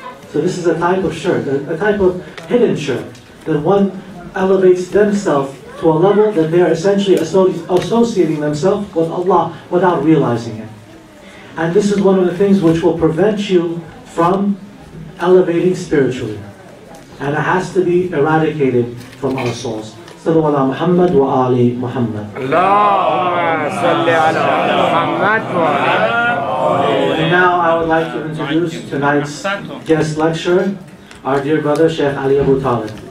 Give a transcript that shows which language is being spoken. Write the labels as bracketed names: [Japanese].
[English] So this is a type of shirk, a type of hidden shirk, that one elevates themselves to a level that they are essentially associating themselves with Allah without realizing it. And this is one of the things which will prevent you from elevating spiritually. And it has to be eradicated from our souls. [Arabic] صلى الله على محمد وآل محمد. اللهم صل على محمد وآل محمد. [English] And now I would like to introduce tonight's guest lecturer, our dear brother Sheikh Ali Abu Talib.